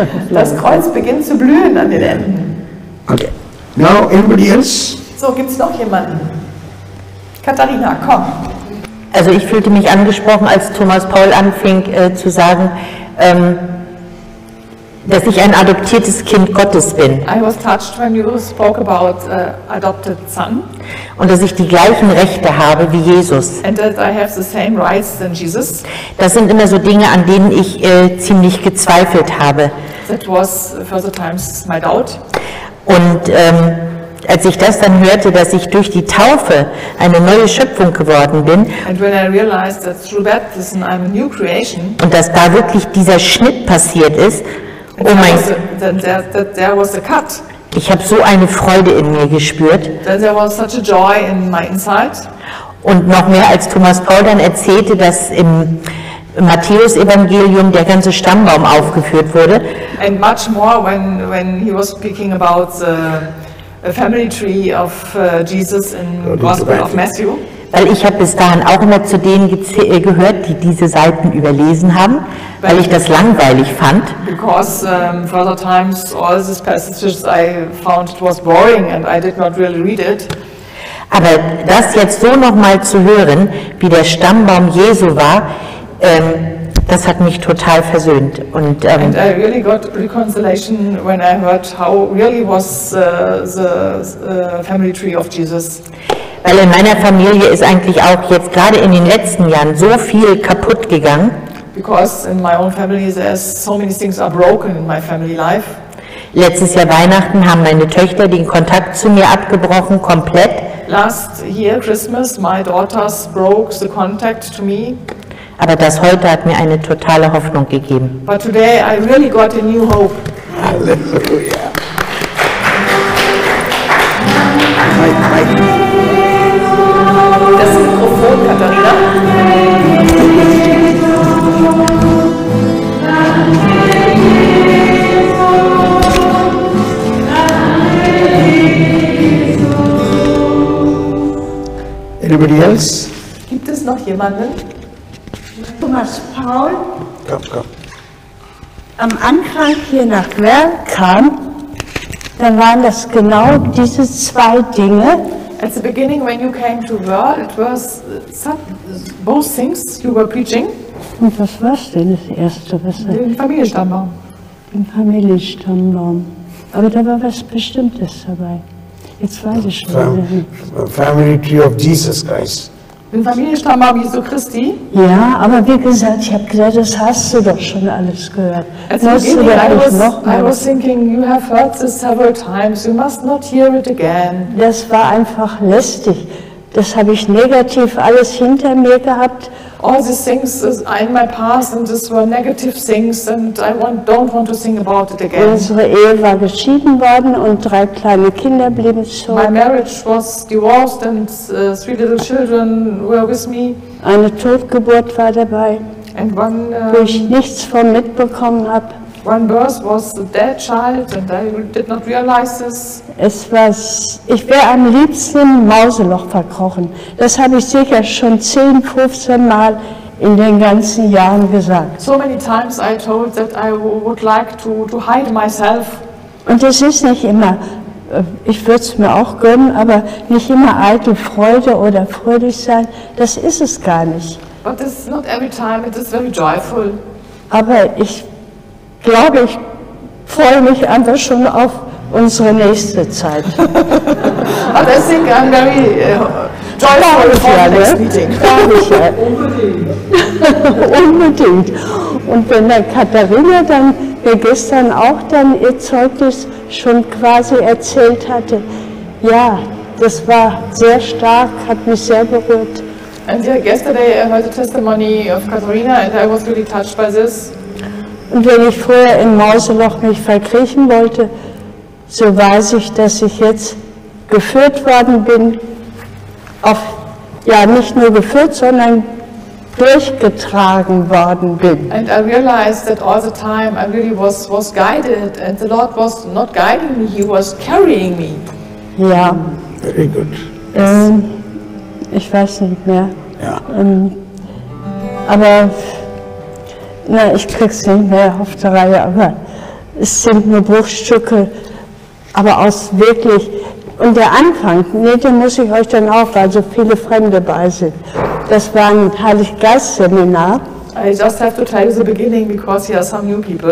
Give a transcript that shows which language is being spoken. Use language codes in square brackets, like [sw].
[de] Das Kreuz beginnt zu blühen an den Enden. [en] Okay. Now anybody else? [de] So, gibt's noch jemanden? Katharina, komm. Also ich fühlte mich angesprochen, als Thomas Paul anfing zu sagen, dass ich ein adoptiertes Kind Gottes bin. [en] I was touched when you spoke about adopted son. [de] Und dass ich die gleichen Rechte habe wie Jesus. [en] And that I have the same rights than Jesus. [de] Das sind immer so Dinge, an denen ich ziemlich gezweifelt habe. [en] That was for the times my doubt. [de] Und als ich das dann hörte, dass ich durch die Taufe eine neue Schöpfung geworden bin, [en] and when I realized that through baptism I'm a new creation, [de] und dass da wirklich dieser Schnitt passiert ist, oh mein Gott, ich habe so eine Freude in mir gespürt. [en] There was such a joy in my inside. [de] Und noch mehr, als Thomas Paul dann erzählte, dass im Matthäus-Evangelium der ganze Stammbaum aufgeführt wurde. [en] And much more when he was speaking about the family tree of Jesus in Gospel of Matthew. [de] Weil ich habe bis dahin auch immer zu denen gehört, die diese Seiten überlesen haben, weil ich das langweilig fand. [en] Because for other times all these passages I found it was boring and I did not really read it. [de] Aber das jetzt so nochmal zu hören, wie der Stammbaum Jesu war, das hat mich total versöhnt. [en] And I really got reconciliation when I heard how really was the family tree of Jesus. [de] Weil in meiner Familie ist eigentlich auch jetzt gerade in den letzten Jahren so viel kaputt gegangen. [en] Because in my own family there are so many things are broken in my family life. [de] Letztes Jahr Weihnachten haben meine Töchter den Kontakt zu mir abgebrochen, komplett. [en] Last year Christmas my daughters broke the contact to me. [de] Aber das heute hat mir eine totale Hoffnung gegeben. [en] But today I really got a new hope. [de] Halleluja. Katharina. [en] Anybody else? [de] Gibt es noch jemanden? Thomas Paul. Komm, komm. Am Anfang hier nach Werl kam, da waren das genau diese zwei Dinge. [en] At the beginning, when you came to Werl, it was both things you were preaching. [de] Und was war es denn, das Erste? Was den Familienstammbaum. Den Familienstammbaum. Aber da war was Bestimmtes dabei. Jetzt weiß ich schon. [en] Family tree of Jesus Christ. [de] Den Familienstammbaum Jesu Christi. Ja, aber wie gesagt, ich habe gesagt, das hast du doch schon alles gehört. [en] I was thinking, you have heard this several times, you must not hear it again. [de] Das war einfach lästig. Das habe ich negativ alles hinter mir gehabt. [en] All these things are in my past and these were negative things and I don't want to think about it again. [de] Unsere Ehe war geschieden worden und drei kleine Kinder blieben zurück. [en] My marriage was divorced and three little children were with me. [de] Eine Totgeburt war dabei, [en] and one, [de] wo ich nichts von mitbekommen habe. [en] One birth was a dead child and I did not realize this. [de] Es war, ich wäre am liebsten im Mauseloch verkrochen. Das habe ich sicher schon 10, 15 Mal in den ganzen Jahren gesagt. [en] So many times I told that I would like to hide myself. [de] Und es ist nicht immer, ich würde es mir auch gönnen, aber nicht immer eitel Freude oder fröhlich sein, das ist es gar nicht. [en] But it's not every time, it is very joyful. [de] Aber ich glaube, ich freue mich einfach schon auf unsere nächste Zeit. [en] But I think I'm very joyful for the next meeting. [de] Unbedingt. Und wenn der Katharina dann mir gestern auch dann ihr Zeugnis schon quasi erzählt hatte, ja, das war sehr stark, hat mich sehr berührt. [en] And yesterday I heard the testimony of Katharina and I was really touched by this. [de] Und wenn ich vorher im Mauseloch mich verkriechen wollte, so weiß ich, dass ich jetzt geführt worden bin, auf, ja, nicht nur geführt, sondern durchgetragen worden bin. [en] And I realized that all the time I really was guided and the Lord was not guiding me, he was carrying me. [de] Ja. [en] Very good. [de] Ich weiß nicht mehr. Ja. Aber, na, ich krieg's nicht mehr auf der Reihe, aber es sind nur Bruchstücke. Aber aus wirklich, und der Anfang, nee, den muss ich euch dann auch, weil so viele Fremde bei sind. Das war ein Heilig-Geist-Seminar. [en] I just have to tell you the beginning, because here are some new people.